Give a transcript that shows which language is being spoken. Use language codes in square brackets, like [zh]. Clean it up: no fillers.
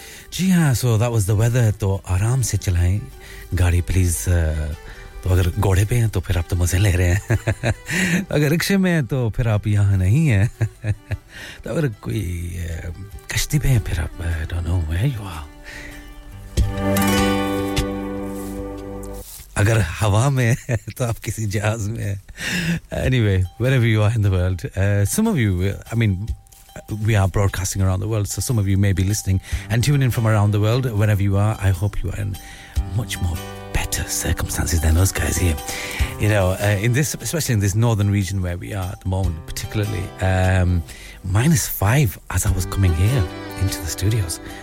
[hi] Ji ha, [en] so that was the weather. [hi] To aram se chalayein gaadi, please. तो अगर घोड़े पे हैं तो फिर आप तो मजे ले रहे हैं. अगर रिक्शे में हैं तो फिर आप यहां नहीं हैं. तो अगर कोई कश्ती पे हैं फिर आप, [en] I don't know where you are. [hi] अगर हवा में हैं तो आप किसी जहाज में हैं. [en] Anyway, wherever you are in the world, some of you, I mean, we are broadcasting around the world, so some of you may be listening and tuning in from around the world. Wherever you are, I hope you are in much more circumstances than us guys here, you know, in this, especially in this northern region where we are at the moment, particularly minus 5 as I was coming here into the studios.